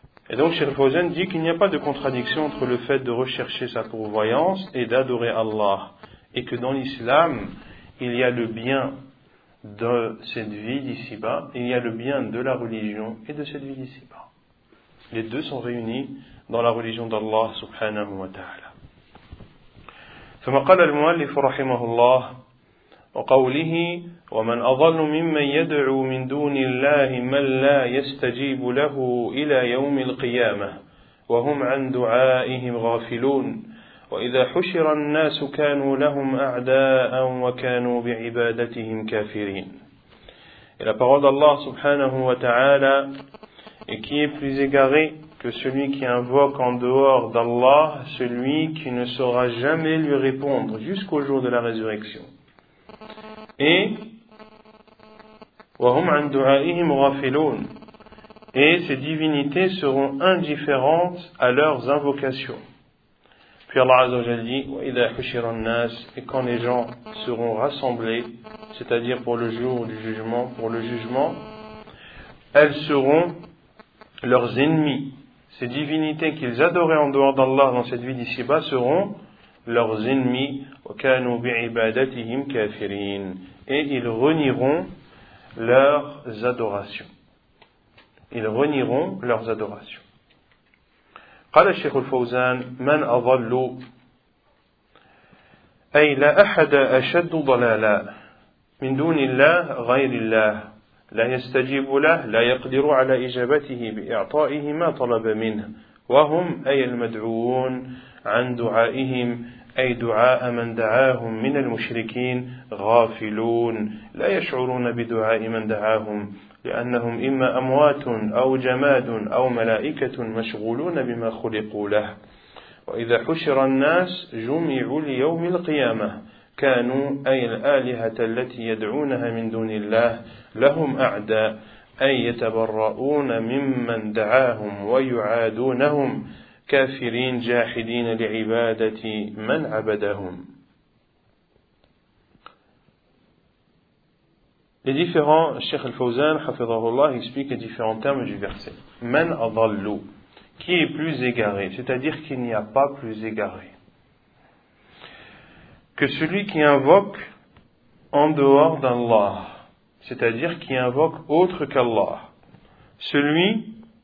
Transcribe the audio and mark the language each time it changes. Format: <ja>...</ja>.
<fr>Et donc, Cheikh Fawzan dit qu'il n'y a pas de contradiction entre le fait de rechercher sa pourvoyance et d'adorer Allah. Et que dans l'islam, il y a le bien de cette vie d'ici-bas, et il y a le bien de la religion et de cette vie d'ici-bas. Les deux sont réunis dans la religion d'Allah subhanahu wa ta'ala.</fr> <ar>ثم قال المؤلف رحمه الله وقوله ومن أضل ممن يدعو من دون الله من لا يستجيب له إلى يوم القيامة وهم عن دعائهم غافلون وإذا حشر الناس كانوا لهم أعداء وكانوا بعبادتهم كافرين.</ar> <fr>Et la parole d'Allah subhanahu wa ta'ala est qui est plus égaré que celui qui invoque en dehors d'Allah celui qui ne saura jamais lui répondre jusqu'au jour de la résurrection.</fr> <ar>Et وهم عن دعائهم غافلون.</ar> <fr>Et ces divinités seront indifférentes à leurs invocations. Puis Allah Azza wa Jalla dit «</fr> <ar>وَإِذَا حُشِرَ النَّاسِ</ar> <fr>» Et quand les gens seront rassemblés, c'est-à-dire pour le jour du jugement, pour le jugement, elles seront leurs ennemis. Ces divinités qu'ils adoraient en dehors d'Allah dans cette vie d'ici-bas seront leurs ennemis.</fr> <ar>وَكَانُوا بِعِبَادَتِهِمْ كَافِرِينَ</ar> <fr>Et ils renieront leurs adorations. Ils renieront leurs adorations.</fr> <ar>قال الشيخ الفوزان من أضل أي لا أحد أشد ضلالا من دون الله غير الله لا يستجيب له لا يقدر على إجابته بإعطائه ما طلب منه وهم أي المدعوون عن دعائهم أي دعاء من دعاهم من المشركين غافلون لا يشعرون بدعاء من دعاهم لأنهم إما أموات أو جماد أو ملائكة مشغولون بما خلقوا له وإذا حشر الناس جمعوا ليوم القيامة كانوا أي الآلهة التي يدعونها من دون الله لهم أعداء أي يتبرؤون ممن دعاهم ويعادونهم كافرين جاحدين لعبادة من عبدهم.</ar> <fr>Les différents, Cheikh Al-Fawzan, Hafidhahullah, explique les différents termes du verset.</fr> <ar>Man adallu,</ar> <fr>qui est plus égaré, c'est-à-dire qu'il n'y a pas plus égaré que celui qui invoque en dehors d'Allah, c'est-à-dire qui invoque autre qu'Allah, celui</fr>